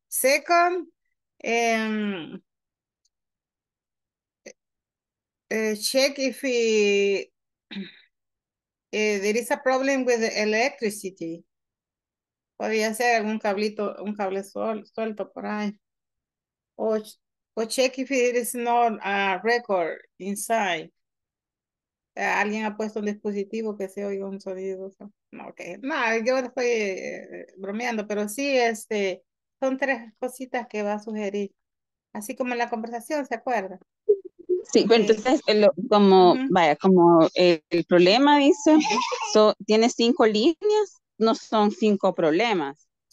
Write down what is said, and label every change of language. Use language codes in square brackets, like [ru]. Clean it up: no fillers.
[en] Second, check if there is a problem with the electricity. [es] Podría ser algún cablito, un cable suelto por ahí. [en] O check if there is not a record inside. [es] Alguien ha puesto un dispositivo que se oiga un sonido. So, okay. No, yo estoy bromeando, pero sí, este. Son tres cositas que va a sugerir. Así como en la conversación, ¿se acuerda? Sí, pero entonces, como, vaya, como el problema dice, tiene cinco líneas, no son cinco problemas.